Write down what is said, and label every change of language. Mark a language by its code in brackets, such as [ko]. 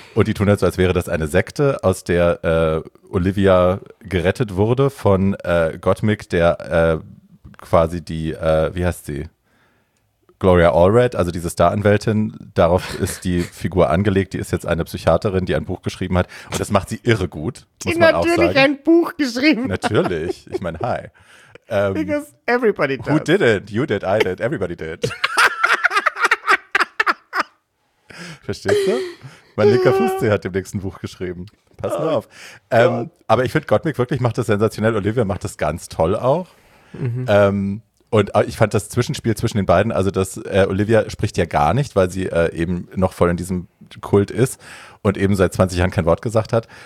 [de] Und die tun halt so, als wäre das eine Sekte, aus der Olivia gerettet wurde von Gottmik, der quasi die, wie heißt sie? Gloria Allred, also diese Star-Anwältin, darauf ist die Figur angelegt. Die ist jetzt eine Psychiaterin, die ein Buch geschrieben hat. Und das macht sie irre gut, muss man auch sagen. Die natürlich ein Buch geschrieben hat. Natürlich, ich meine, hi. [en] Because everybody does. Who did it? You did, I did, everybody did. [de] Verstehst du? Mein linker Fuß hat dem nächsten Buch geschrieben. Pass mal auf. Aber ich finde, Gottmik wirklich macht das sensationell. Olivia macht das ganz toll auch. Mhm. Und ich fand das Zwischenspiel zwischen den beiden, also dass Olivia spricht ja gar nicht, weil sie eben noch voll in diesem Kult ist und eben seit 20 Jahren kein Wort gesagt hat.